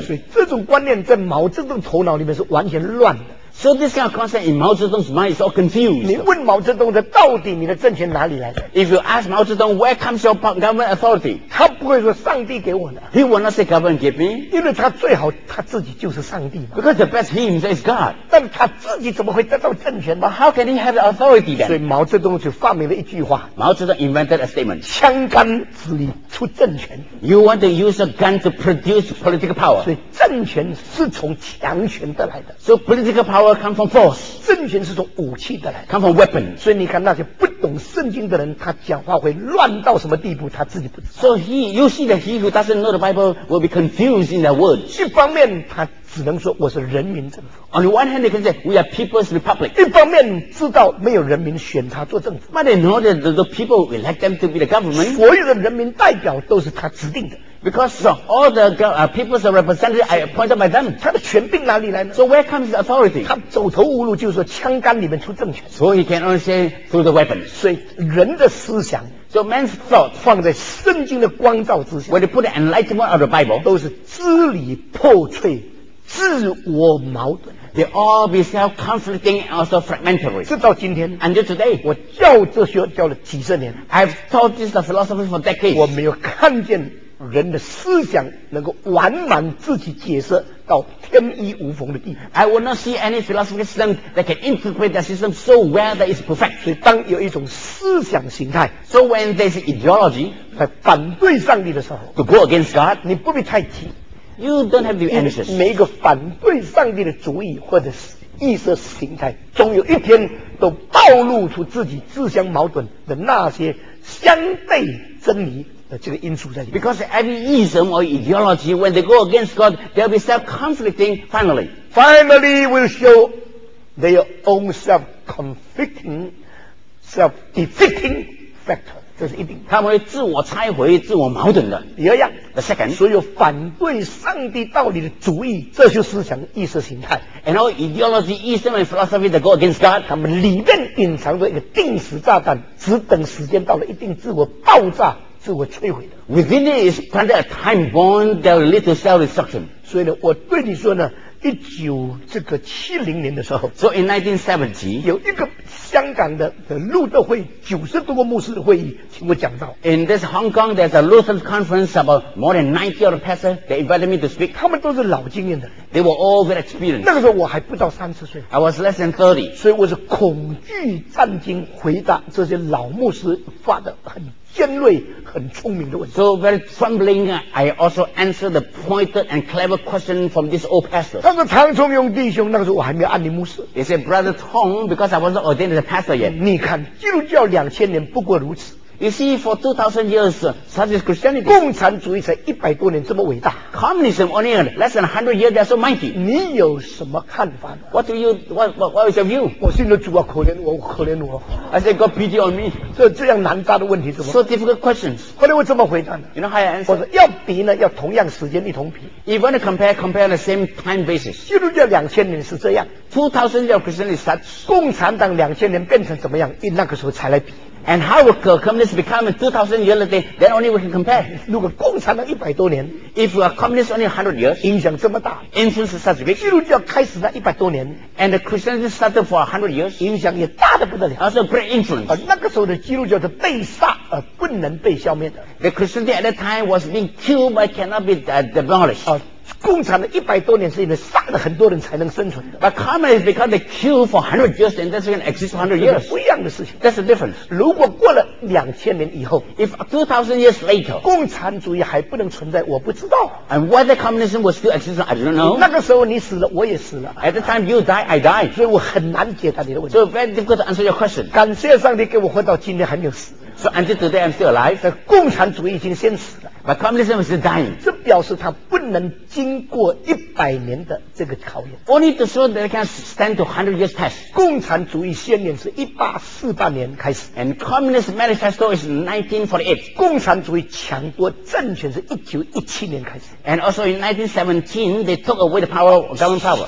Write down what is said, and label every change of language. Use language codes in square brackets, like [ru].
[zh] 所以这种观念在毛泽东头脑里面是完全乱的。 [en] So this kind of concept in Mao Zedong's mind is all confused. [zh] 你问毛泽东的到底你的政权哪里来的？ [en] If you ask Mao Zedong, where comes your government authority? [zh] 他不会说上帝给我的。 [en] He will not say government give me. [zh] 因为他最好他自己就是上帝嘛。 [en] Because the best he himself is God. [zh] 但他自己怎么会得到政权呢？ [en] But how can he have the authority then? [zh] 所以毛泽东就发明了一句话。 [en] 毛泽东 invented a statement. [zh] 枪杆子里出政权。 [en] You want to use a gun to produce political power. [zh] 所以政权是从强权得来的。 [en] So political power. Come from force. [zh] 政权是从武器得来。 [en] Come from weapon. [zh] 所以你看那些不懂圣经的人，他讲话会乱到什么地步，他自己不知道。 [en] So he, you see that he who doesn't know the Bible will be confused in their words. [zh] 一方面他只能说我是人民政府。 [en] On the one hand, they can say we are People's Republic. [zh] 一方面知道没有人民选他做政府。 [en] But they know that the people elect them to be the government. [zh] 所有的人民代表都是他指定的。 [en] Because all the people's representatives are appointed by them. [zh] 他的权柄哪里来呢？ [en] So where comes his authority? [zh] 他走投无路，就是说枪杆里面出政权。 [en] So he can only say through the weapon. [zh] 所以人的思想。 [en] So man's thought [zh] 放在圣经的光照之下。 [en] When you put the enlightenment of the Bible, [zh] 都是支离破碎，自我矛盾。 [en] They all be self-conflicting and also fragmentary. [zh] 直到今天 [en] ，until today， [zh] 我教哲学教了几十年。 [en] I've taught this philosophy for decades. [zh] 我没有看见人的思想能够完满自己解释到天衣无缝的地步。 [en] I will not see any philosophical system that can interpret that system so well that it's perfect. [zh] 所以当有一种思想形态 [en] ，so when there's ideology [zh] 在反对上帝的时候 [en] ，to go against God， [zh] 你不必太急。 [en] You don't have to be anxious. [zh] 每一个反对上帝的主意或者意识形态，总有一天都暴露出自己自相矛盾的那些相悖真理的这个因素在里面。 [en] Because every ism or ideology, when they go against God, they'll be self-conflicting. Finally, finally will show their own self-conflicting, self-defeating factor. [zh] 这是一定，他们会自我拆毁、自我矛盾的。第二样 [en] ，the second， [zh] 所有反对上帝道理的主义、哲学思想、意识形态 [en] ，and all ideology, ism and philosophy that go against God， [zh] 他们里面隐藏着一个定时炸弹，只等时间到了一定，自我爆炸、自我摧毁的。 [en] Within it is planted a time bomb that will lead to self-destruction。 [zh] 所以呢，我对你说呢。1970年的时候 [en] ，So in 1970, [zh] 有一个香港的路德会90多个牧师会议，请我讲到。 [en] In this Hong Kong, there's a Lutheran conference about more than 90 of the pastors. They invited me to speak. [zh] 他们都是老经验的。 [en] They were all very experienced. [zh] 那个时候我还不到30岁。 [en] I was less than 30. [zh] 所以我是恐惧战惊回答这些老牧师发的很尖锐、很聪明的问题。 [en] So very trembling, I also answered the pointed and clever question from this old pastor. [zh] 他说：“唐崇荣弟兄，那个时候我还没有按你牧师。 [en] ”He said, "Brother Tong, because I wasn't ordained as a pastor yet." [zh] 你看，基督教2000年不过如此。 [en] You see, for 2,000 years, such as Christianity, [zh] 共产主义才100多年这么伟大。 [en] Communism only less than 100 years, that's so mighty. [zh] 你有什么看法呢 [en] ？What do you what is your view? [zh] 我心里主啊，可怜我，可怜我。 [en] I said, "God pity on me." [zh] 这样难答的问题怎么 [en] ？So difficult questions. [zh] 后来我怎么回答呢 [en] ？You know how I answer? [zh] 我说要比呢，要同样时间一同比。 [en] If you want to compare on the same time basis. [zh] 基督教2000年是这样。 [en] 2,000 years of Christianity is such. [zh] 共产党2000年变成怎么样？因那个时候才来比。 [en] And how will communism become in 2,000 years later? Then only we can compare. [zh] 如果共产党100多年 [en] ，if a communist only 100 years， [zh] 影响这么大 [en] ，influence such big， [zh] 基督教开始那100多年 [en] ，and the Christianity started for 100 years， [zh] 影响也大得不得了 [en] ，also great influence。 [zh] 而那个时候的基督教是被杀而不能被消灭的。 [en] The Christianity at that time was being killed but cannot be demolished。 [zh] 共产的100多年是因为杀了很多人才能生存的。 [en] But communism become the cure for 100 years and that's going to exist for 100 years. [zh] 不一样的事情。 [en] That's the difference. [zh] 如果过了2000年以后 [en] ，If 2000 years later， [zh] 共产主义还不能存在，我不知道。 [en] And whether communism will still exist, I don't know. [zh] 那个时候你死了，我也死了。 [en] At the time you die, I die. [zh] 所以我很难解答你的问题。 [en] So very difficult to answer your question. [zh] 感谢上帝给我活到今天还没有死。 [en] So until today I'm still alive. [zh] 共产主义已经先死了。 [en] But communism is dying. [zh] 这表示它不能经过100年的这个考验。 [en] Only to show that it can stand to 100 years test. [zh] 共产主义宣言是1848年开始。 [en] And communist manifesto is 1948. [zh] 共产主义抢夺政权是1917年开始。 [en] And also in 1917, they took away the power of government power.